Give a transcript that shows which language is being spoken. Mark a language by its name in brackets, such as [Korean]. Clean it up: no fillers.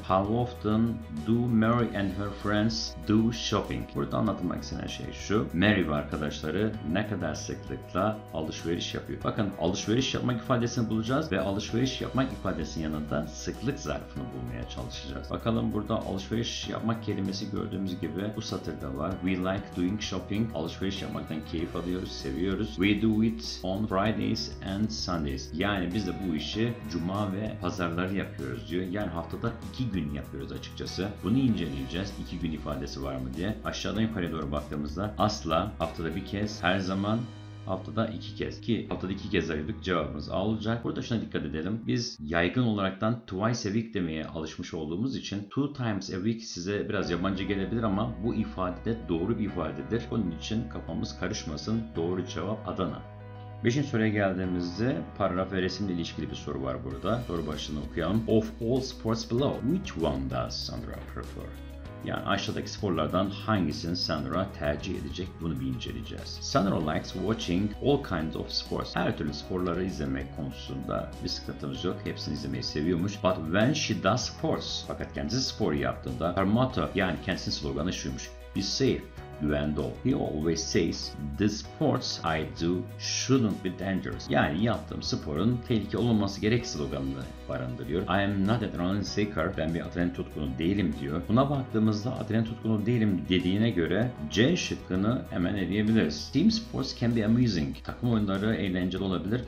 [English] How often do Mary and her friends do shopping? [Turkish] Burada anlatmak istenen şey şu. Mary ve arkadaşları ne kadar sıklıkla alışveriş yapıyor? Bakın alışveriş yapmak ifadesini bulacağız ve alışveriş yapmak ifadesinin yanında sıklık zarfını bulmaya çalışacağız. Bakalım burada alışveriş yapmak kelimesi gördüğümüz gibi bu satırda var. [English] We like doing shopping. [Turkish] Alışveriş yapmaktan keyif alıyoruz, seviyoruz. [English] We do it on Fridays and Sundays. [Turkish] Yani biz de bu işi Cuma ve pazarları yapıyoruz diyor. Yani haftada iki gün yapıyoruz açıkçası. Bunu inceleyeceğiz. İki gün ifadesi var mı diye. Aşağıdan yukarıya doğru baktığımızda asla, haftada bir kez, her zaman, haftada iki kez. Ki haftada iki kez ayırdık, cevabımız A olacak. Burada şuna dikkat edelim. Biz yaygın olaraktan [English] twice a week [Turkish] demeye alışmış olduğumuz için [English] two times a week [Turkish] size biraz yabancı gelebilir ama bu ifade de doğru bir ifadedir. Onun için kafamız karışmasın. Doğru cevap Adana. 5. soruya geldiğimizde paragraf ve resimle ilişkili bir soru var burada. Soru başlığını okuyalım. [English] Of all sports below, which one does Sandra prefer? [Turkish] Yani aşağıdaki sporlardan hangisini Sandra tercih edecek, bunu bir inceleyeceğiz. [English] Sandra likes watching all kinds of sports. [Turkish] Her türlü sporları izlemek konusunda bir sıkıntımız yok. Hepsini izlemeyi seviyormuş. [English] But when she does sports, [Turkish] fakat kendisi spor yaptığında, her motto, yani kendisinin sloganı şuymuş. [English] Be safe. [Turkish] Güvendol. [English] He always says the sports I do shouldn't be dangerous. [Turkish] Yani yaptığım sporun tehlike olmaması gerek sloganını barındırıyor. [English] I am not an adrenaline seeker. [Turkish] Ben bir adrenalin tutkunu değilim diyor. Buna baktığımızda adrenalin tutkunu değilim dediğine göre C şıkkını hemen eleyebiliriz. [English] Team sports can be amusing. [Turkish] Takım oyunları eğlenceli olabilir.